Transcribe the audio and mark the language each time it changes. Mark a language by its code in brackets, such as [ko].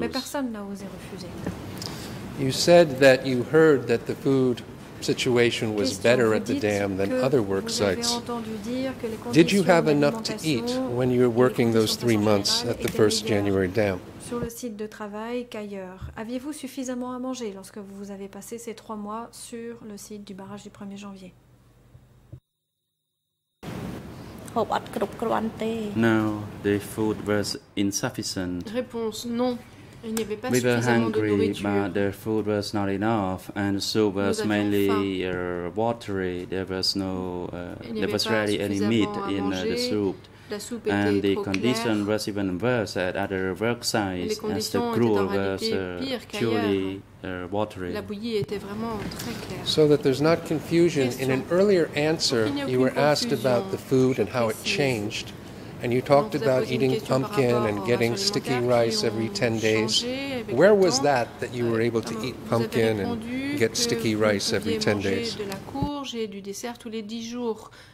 [fr] Mais personne n'a osé refuser. [en] You said that you heard that the food situation was better at the dam than other work sites. Did you have enough to eat when you were working those 3 months at the first January dam? [fr] Sur le site de travail qu'ailleurs. Aviez-vous suffisamment à manger lorsque vous avez passé ces 3 mois sur le site du barrage du 1er janvier? [en] No, the food was insufficient. [fr] Réponse non. [en] We were hungry, but the food was not enough, and the soup was mainly watery. There was no, rarely any meat in the soup. And the condition was even worse at other work sites, as the gruel was purely watery. [fr] La bouillie était vraiment très claire. [en] So that there's not confusion, in an earlier answer, you were asked about the food and how it changed. And you talked about eating pumpkin and getting sticky rice every 10 days. Where was that that you were able to eat pumpkin and get sticky rice every 10 days? [fr] De la courge et du dessert tous les 10 jours.